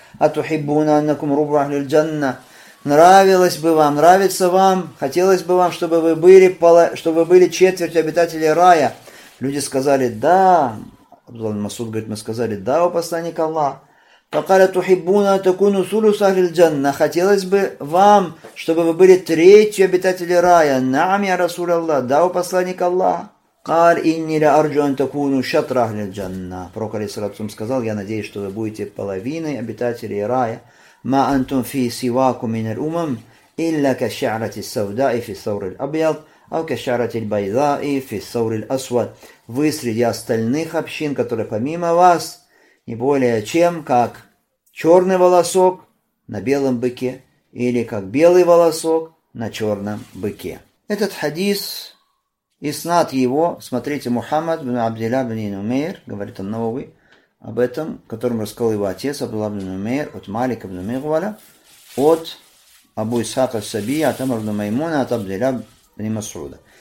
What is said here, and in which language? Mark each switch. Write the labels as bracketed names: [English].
[Arabic] Атухиббуна аннакум рубахлил джанна. [Russian] Нравилось бы вам, нравится вам, хотелось бы вам, чтобы были четверть обитателей рая. Люди сказали, да. Абдулла Масуд говорит, мы сказали, да, о посланник Аллах. [Arabic] Факаля тухиббуна атакуну сулусахлил джанна. [Russian] Хотелось бы вам, чтобы вы были третью обитателей рая. [Arabic] Наам я расул Аллах, [Russian] да, о посланник Аллах. [Arabic] قال إني لا أرجو أن تكونوا شطر أهل الجنة. [Russian] Пророк алейхиссалям сказал, я надеюсь, что вы будете половиной обитателей рая. [Arabic] ما أنتم في سواكم من الأمم إلا كشعرة السوداء في الثور الأبيض أو كشعرة البيضاء في الثور الأسود. [Russian] Вы среди остальных общин, которые помимо вас, не более чем как черный волосок на белом быке или как белый волосок на черном быке. Этот хадис Иснат его, смотрите, Мухаммад бин Абдилля бин Нумейр, говорит Ан-Науви, об этом, которым рассказал его отец, Абдулла бин Нумейр, от Малика бин Мигваля, от Абу Исхака Сабия, от Амра бин Маймуна, от Абдилля бин Масуда.